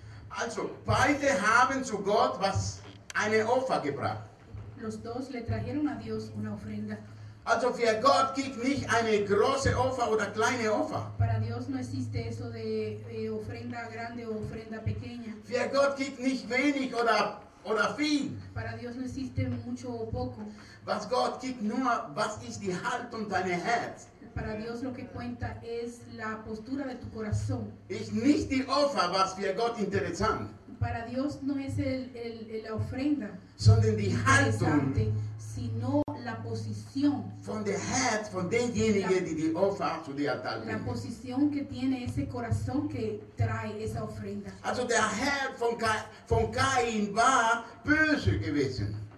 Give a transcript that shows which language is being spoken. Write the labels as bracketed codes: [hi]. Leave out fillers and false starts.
[de] Also, beide haben zu Gott was eine Opfer gebracht. [es] Los dos le trajeron a Dios una ofrenda. [de] Also, für Gott gibt nicht eine große Opfer oder kleine Opfer. [es] Para Dios no existe eso de ofrenda grande o ofrenda pequeña. [de] Für Gott gibt nicht wenig oder viel. [es] Para Dios no existe mucho o poco. [de] Was Gott gibt nur, was ist die Haltung deines Herz? [es] Para Dios lo que cuenta es la postura de tu corazón. [de] Ist nicht die Opfer, was für Gott interessant. [es] Para Dios no es la ofrenda, [de] sondern die Haltung, [es] sino la posición. [de] Von der Herz, von demjenigen, die die Opfer zu dir altar bringt. [es] La posición que tiene ese corazón que trae esa ofrenda. [de] Also der Herz von Caín war böse gewesen.